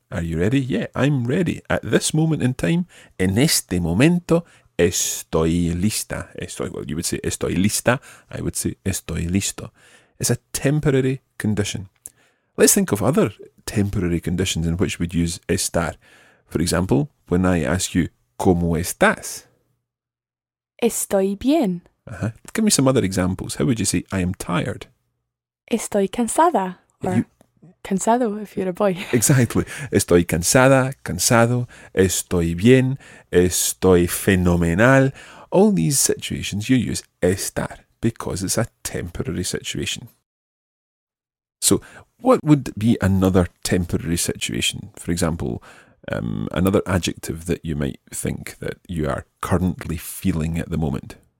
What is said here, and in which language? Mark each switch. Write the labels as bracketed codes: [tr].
[en] Are you ready? Yeah, I'm ready. At this moment in time, [es] en este momento, estoy lista. [en] You would say [es] estoy lista. [en] I would say [es] estoy listo. [en] It's a temporary condition. Let's think of other temporary conditions in which we'd use estar. For example, when I ask you, [es] ¿cómo estás? Estoy bien. [en] Give me some other examples. How would you say, I am tired? [es] Estoy cansada. Cansado, [en] if you're a boy. Exactly. [es] Estoy cansada, cansado, estoy bien, estoy fenomenal. [en] All these situations you use estar because it's a temporary situation. So what would be another temporary situation? For example, another adjective that you might think that you are currently feeling at the moment.